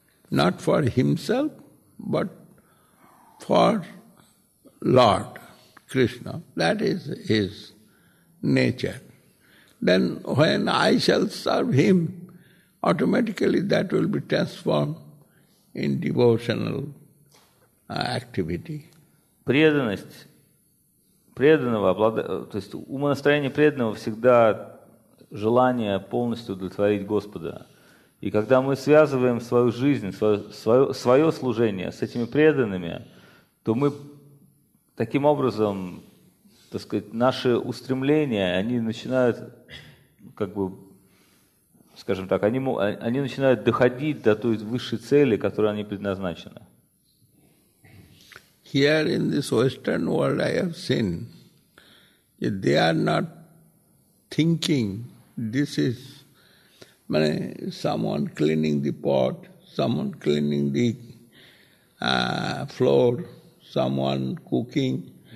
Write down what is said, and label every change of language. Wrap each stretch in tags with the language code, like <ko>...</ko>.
<en>Not for himself, but for Lord, Krishna. That is his nature. Then when I shall serve him, automatically that will be transformed in devotional activity.</en> <ru>Преданность преданного, то есть умонастроение преданного всегда желание полностью удовлетворить Господа. И когда мы связываем свою жизнь, свое служение с этими преданными, то мы таким образом, так сказать, наши устремления, они начинают как бы скажем так, они начинают доходить до той высшей цели, которой они предназначены.</ru> <en>Here in this Western world I have seen that they are not thinking this is someone cleaning the pot, someone cleaning the floor, someone cooking,</en>